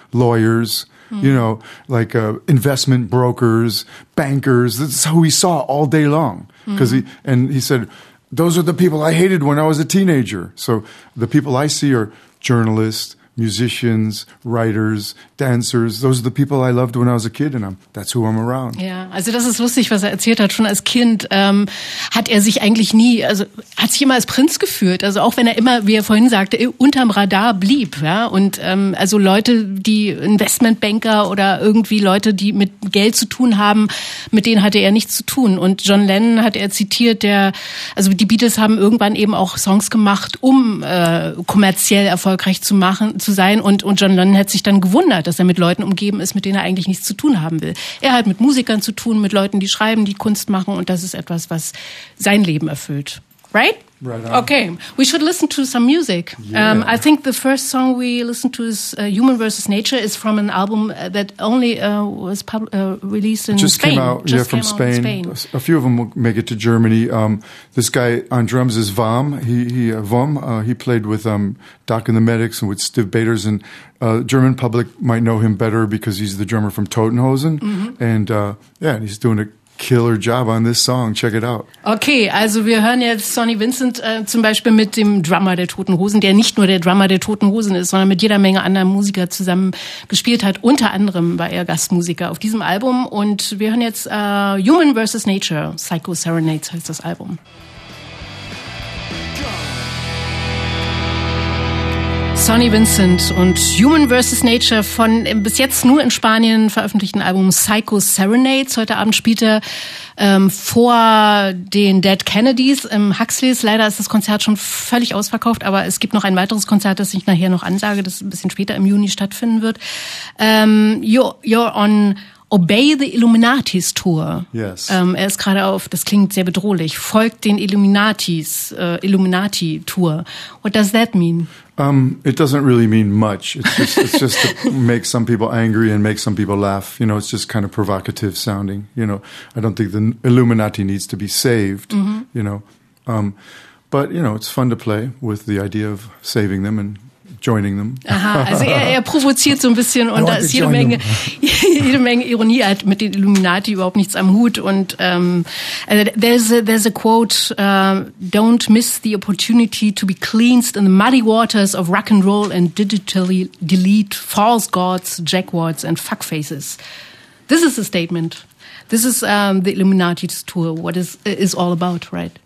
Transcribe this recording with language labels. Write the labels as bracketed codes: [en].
[en] Lawyers, you know, like investment brokers, bankers. That's who he saw all day long. And he said, those are the people I hated when I was a teenager. So the people I see are journalists, musicians, writers, dancers, those are the people I loved when I was a kid, and that's who I'm around. [de] Ja, also das ist lustig, was er erzählt hat. Schon als Kind hat er sich eigentlich nie, also hat sich immer als Prinz gefühlt. Also auch wenn er immer, wie er vorhin sagte, unterm Radar blieb. Ja, und also Leute, die Investmentbanker oder irgendwie Leute, die mit Geld zu tun haben, mit denen hatte er nichts zu tun. Und John Lennon hat er zitiert, der, also die Beatles haben irgendwann eben auch Songs gemacht, um kommerziell erfolgreich zu machen, zu sein. Und John Lennon hat sich dann gewundert, dass er mit Leuten umgeben ist, mit denen er eigentlich nichts zu tun haben will. Er hat mit Musikern zu tun, mit Leuten, die schreiben, die Kunst machen, und das ist etwas, was sein Leben erfüllt. [en] Right? Right on. Okay, we should listen to some music. Yeah. I think the first song we listen to is Human versus Nature, is from an album that only was released in just Spain. Came out, just yeah, from came Spain. Out Spain. A few of them will make it to Germany. This guy on drums is Vom. He played with Doc and the Medics and with Steve Baters, and German public might know him better because he's the drummer from Totenhosen. Mm-hmm. And yeah, he's doing a killer job on this song. Check it out. [de] Okay, also wir hören jetzt Sonny Vincent zum Beispiel mit dem Drummer der Toten Hosen, der nicht nur der Drummer der Toten Hosen ist, sondern mit jeder Menge anderer Musiker zusammen gespielt hat. Unter anderem war er Gastmusiker auf diesem Album. Und wir hören jetzt Human versus Nature. Psycho Serenades heißt das Album. Sonny Vincent und Human versus Nature von bis jetzt nur in Spanien veröffentlichten Album Psycho Serenades. Heute Abend spielt er vor den Dead Kennedys im Huxleys. Leider ist das Konzert schon völlig ausverkauft, aber es gibt noch ein weiteres Konzert, das ich nachher noch ansage, das ein bisschen später im Juni stattfinden wird. [en] You're on Obey the Illuminatis Tour. Yes. [de] Er ist gerade auf, das klingt sehr bedrohlich, folgt den Illuminatis, Illuminati Tour. [en] What does that mean? It doesn't really mean much. It's just to make some people angry and make some people laugh. You know, it's just kind of provocative sounding. You know, I don't think the Illuminati needs to be saved, you know. But, you know, it's fun to play with the idea of saving them and joining them. [de] Aha, also er provoziert so ein bisschen, und da ist jede Menge Ironie. Er hat mit den Illuminati überhaupt nichts am Hut. [en] Und there's a quote, don't miss the opportunity to be cleansed in the muddy waters of rock and roll and digitally delete false gods, jackwards and fuckfaces. This is a statement. This is the Illuminati's tour, what is all about, right?